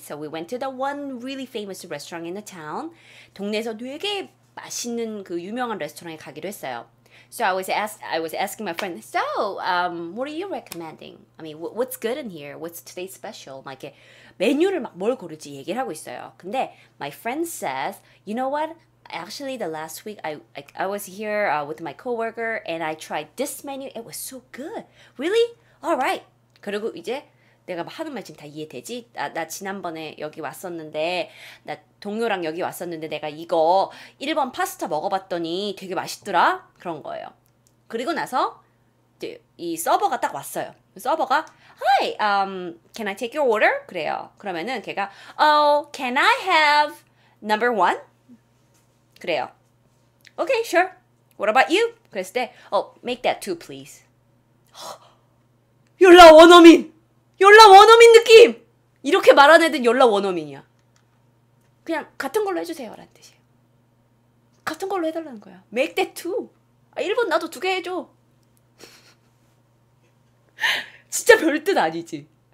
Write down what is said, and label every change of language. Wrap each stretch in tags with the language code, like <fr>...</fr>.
<en>So we went to the one really famous restaurant in the town.</en> <ko>동네에서 되게 맛있는 그 유명한 레스토랑에 가기로 했어요.</ko> <en>So I was asking my friend, so what are you recommending? I mean, what's good in here? What's today's special?</en> <ko>막 이렇게 메뉴를 막 뭘 고르지 얘기를 하고 있어요. 근데</ko> <en>my friend says, you know what? Actually, the last week I was here with my coworker and I tried this menu. It was so good. Really? All right.</en> <ko>그리고 이제 내가 막 하는 말 지금 다 이해되지? 나 지난번에 여기 왔었는데, 나 동료랑 여기 왔었는데 내가 이거 1번 파스타 먹어봤더니 되게 맛있더라? 그런 거예요. 그리고 나서 이제 이 서버가 딱 왔어요. 서버가</ko> <en>Hi, can I take your order?</en> <ko>그래요. 그러면은 걔가</ko> <en>Oh, can I have number one? 그래요. Okay, sure. What about you?</en> <ko>그랬을 때</ko> <en>Oh, make that two, please.</en> <ko>열라 원어민! 열라 원어민 느낌! 이렇게 말하는 애들 열라 원어민이야. 그냥 같은 걸로 해주세요 라는 뜻이에요. 같은 걸로 해달라는 거야.</ko> <en>Make that two.</en> <ko>아, 1번 나도 두 개 해줘. 진짜 별 뜻 아니지.</ko>